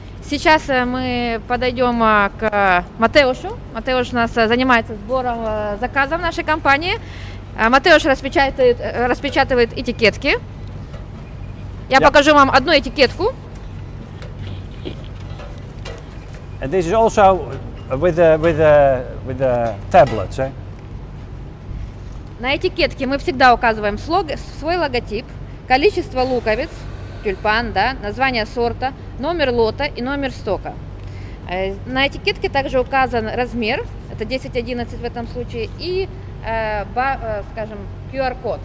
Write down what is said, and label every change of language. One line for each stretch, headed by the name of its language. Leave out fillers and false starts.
Russian: Сейчас мы подойдем к Матеушу. Матеуш у нас занимается сбором заказов нашей компании. Матеуш распечатывает этикетки. Я покажу вам одну этикетку.
English: And this is also with the tablets, eh?
Russian: На этикетке мы всегда указываем свой логотип, количество луковиц, тюльпан, да, название сорта, номер лота и номер стока. На этикетке также указан размер, это 10-11 в этом случае, и, скажем, QR-код.